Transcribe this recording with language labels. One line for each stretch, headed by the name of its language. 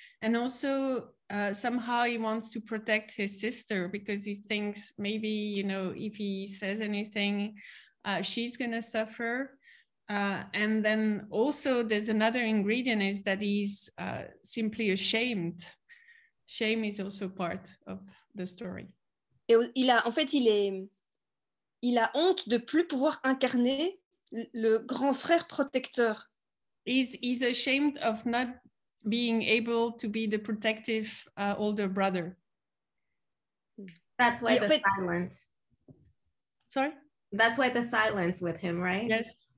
English: And also, somehow he wants to protect his sister because he thinks maybe, you know, if he says anything, she's going to suffer. And then also there's another ingredient is that he's simply ashamed. Shame is also part of the story.
French: Et il a, en fait, il a honte de plus pouvoir incarner le grand frère protecteur.
English: He's ashamed of not being able to be the protective older brother. That's why silence. Sorry? That's why the silence with him, right? Yes.